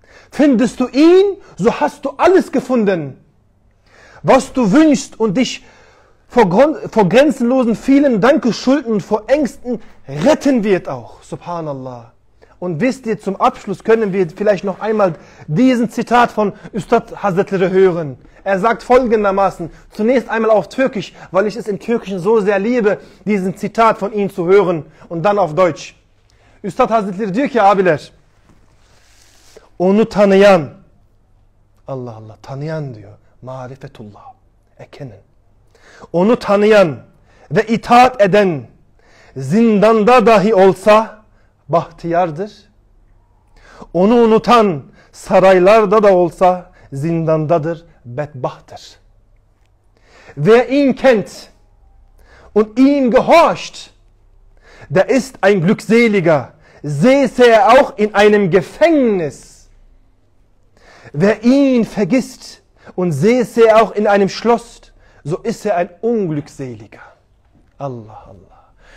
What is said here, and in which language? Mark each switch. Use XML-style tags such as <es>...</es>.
<de>Findest du ihn, so hast du alles gefunden. Was du wünschst und dich vor grenzenlosen vielen Dankeschulden und vor Ängsten retten wird auch. Subhanallah. Und wisst ihr, zum Abschluss können wir vielleicht noch einmal diesen Zitat von Üstad Hazretleri hören. Er sagt folgendermaßen, zunächst einmal auf Türkisch, weil ich es im Türkischen so sehr liebe, diesen Zitat von ihm zu hören, und dann auf Deutsch.</de> <tr>Üstad Hazretleri diyor ki abiler, onu tanıyan, Allah Allah, tanıyan diyor, marifetullah, erkennen. Onu tanıyan ve itaat eden, zindanda dahi olsa, bahtiyardır. Onu unutan saraylarda da olsa zindandadır, bedbahtır.</tr> <de>Wer ihn kennt und ihm gehorcht, der ist ein Glückseliger, säße er auch in einem Gefängnis. Wer ihn vergisst und säße er auch in einem Schloss, so ist er ein Unglückseliger. Allah, Allah.</de>